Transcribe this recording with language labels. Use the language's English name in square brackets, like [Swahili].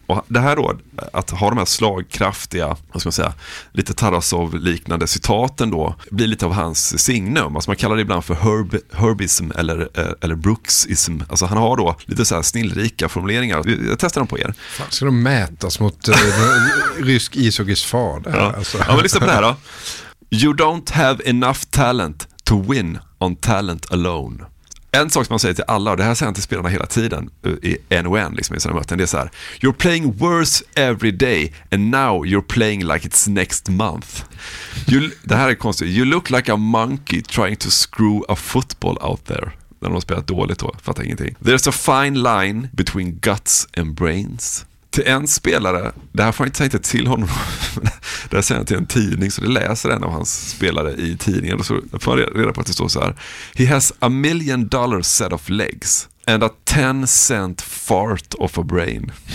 [Swedish] Och det här då, att ha de här slagkraftiga, vad ska man säga, lite Tarasov-liknande citaten då, blir lite av hans signum. Alltså man kallar det ibland för Herbism eller Brooksism. Alltså han har då lite så här snillrika formuleringar. Jag testar dem på er. Fan, ska de mätas mot rysk ishockeys fader? Ja, men lyssna på det här då. [English] You don't have enough talent to win on talent alone. [Swedish] En sak som man säger till alla, och det här säger han till spelarna hela tiden i NON liksom, i sina möten, det är så här: [English] you're playing worse every day and now you're playing like it's next month. [Swedish] Det här är konstigt. [English] You look like a monkey trying to screw a football out there. [Swedish] När de har spelat dåligt då, fattar ingenting. [English] There's a fine line between guts and brains. [Swedish] Till en spelare, det här får jag inte säga inte till honom, det här säger jag till en tidning, så det läser en av hans spelare i tidningen, och så får jag reda på att det står så här: [English] he has $1 million set of legs and a 10-cent fart of a brain.